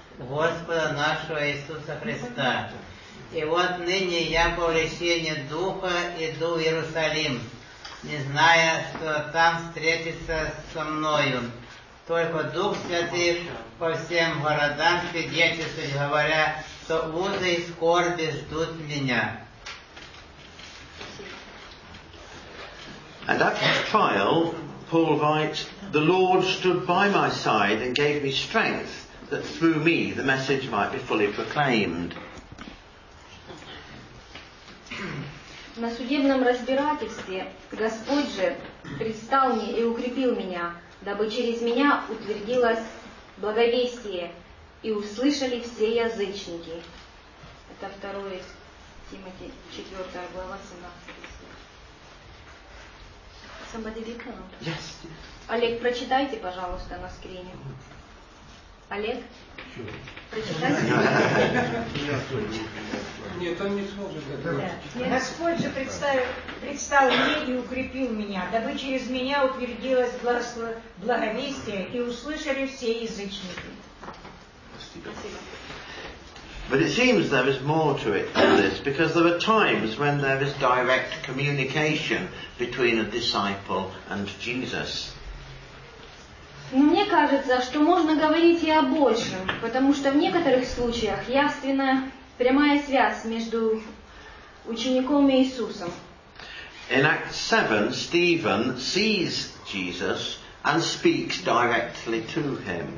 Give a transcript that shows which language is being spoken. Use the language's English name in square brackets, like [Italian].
[Russian] Господа нашего Иисуса Христа. И вот ныне я по влечению Духа иду в Иерусалим, не зная, что там встретится со мною. Только Дух Святый по всем городам свидетельствует, говоря, что узы и скорби ждут меня. [English] And at this trial, Paul writes, the Lord stood by my side and gave me strength, that through me the message might be fully proclaimed. [Russian] На судебном разбирательстве Господь же предстал мне и укрепил меня, дабы через меня утвердилось благовестие, и услышали все язычники. Это 2 Тимоте, 4 глава, 17 стих. [English] Somebody read now? Yes. [Russian] Олег, прочитайте, пожалуйста, на скрине. Олег? Нет, он не сможет. Господь же предстал мне и укрепил меня, дабы через меня утвердилось благовестие, и услышали все язычники. [English] But it seems there is more to it than this, because there are times when there is direct communication between a disciple and Jesus. [Russian] Мне кажется, что можно говорить и о большем, потому что в некоторых случаях явственна прямая связь между учеником и Иисусом. [English] In Acts 7, Stephen sees Jesus and speaks directly to him.